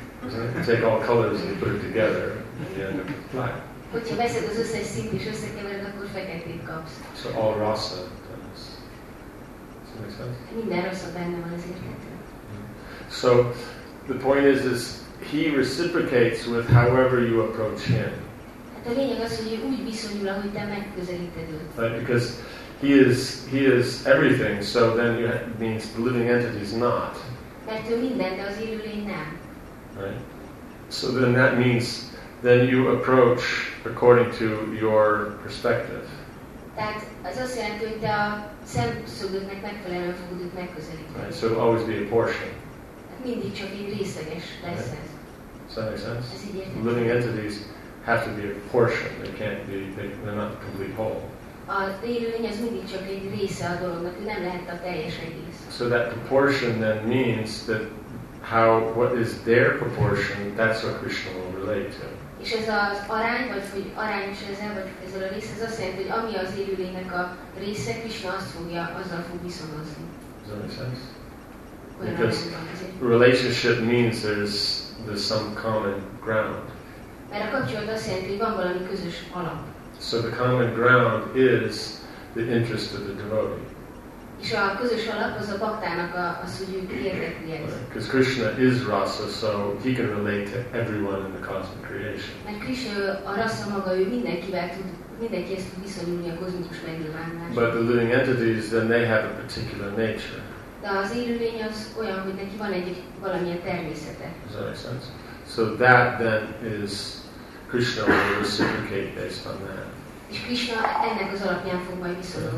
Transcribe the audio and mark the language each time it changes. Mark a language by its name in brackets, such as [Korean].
[English] So, you take all colors and put it together, and you end up with black. [Hungarian] Hogyha veszed az összes színt és összekevered, akkor feketét kapsz. [English] So all rasa does. Does that make sense? [Hungarian] Minden rasa benne van az érthető. [English] So, the point is he reciprocates with however you approach him. [Hungarian] A lényeg az, hogy úgy viszonyul, ahogy te megközelíted őt. [English] Right, because he is everything, so then it means the living entity is not. [Hungarian] Mert ő minden, de az élő lény nem. [English] Right. So then that means then you approach according to your perspective. [Hungarian] Tehát az azt jelenti, hogy te a szemszögödnek megfelelően fogod őt megközelíteni. [English] Right, so always be a portion. [Hungarian] Mindig csak egy részleges lesz ez. [English] Does that make sense? Living entities have to be a portion. They can't be, they're not the complete whole. [Hungarian] A élő lény az mindig csak egy része a dolognak, nem lehet a teljes egész. [English] So that proportion then means that how, what is their proportion, that's what Krishna will relate to. [Hungarian] És ez az arány, vagy hogy arányos ezzel, vagy ezzel a rész, ez azt jelenti, hogy ami az élő lénynek a része, Krishna azt fogja, azzal fog viszonozni. [English] Does that make sense? Because relationship means there's some common ground. [Hungarian] Mert a kapcsolat azt jelenti, hogy van valami közös alap. [English] So the common ground is the interest of the devotee. [Hungarian] És a közös alap az a baktának az, hogy ők érdeklődnek. [English] Because Krishna is rasa, so he can relate to everyone in the cosmic creation. [Hungarian] Mert Krishna a rasa maga, ő mindenkivel tud, mindenkihez tud viszonyulni a kozmikus megnyilvánulás. [English] But the living entities, then they have a particular nature. [Hungarian] De az élőlény az olyan, hogy neki van egy valamilyen természete. [English] Does that make sense? So that then is Krishna will reciprocate based on that. [Hungarian] És Krishna ennek az alapján fog majd viszonozni.